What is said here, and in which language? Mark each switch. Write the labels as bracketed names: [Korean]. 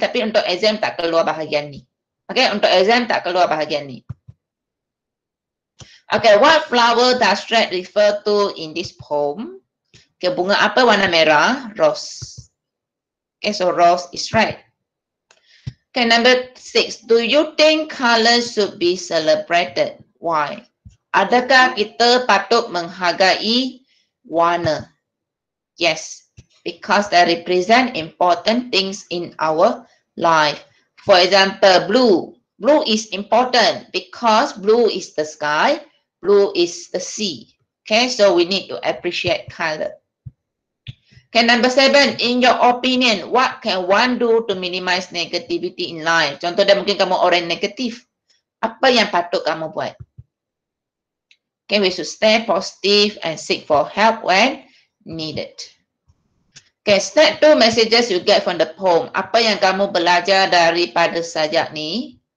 [Malay] Tapi untuk exam tak keluar bahagian ni. Okay, untuk exam tak keluar bahagian ni. [English] Okay, what flower does red refer to in this poem? Okay, [Malay] bunga apa warna merah? [English] Rose. Okay, so rose is red. Okay, number six. Do you think colors should be celebrated? Why? [Malay] Adakah kita patut menghargai warna? [English] Yes, because they represent important things in our life. For example, blue. Blue is important because blue is the sky. Blue is the sea. Okay, so we need to appreciate color. Okay, number seven. In your opinion, what can one do to minimize negativity in life? [Malay] Contohnya mungkin kamu orang negatif. Apa yang patut kamu buat? [English] Okay, we should stay positive and seek for help when needed. Okay, step two messages you get from the poem. [Malay] Apa yang kamu belajar daripada sajak ni?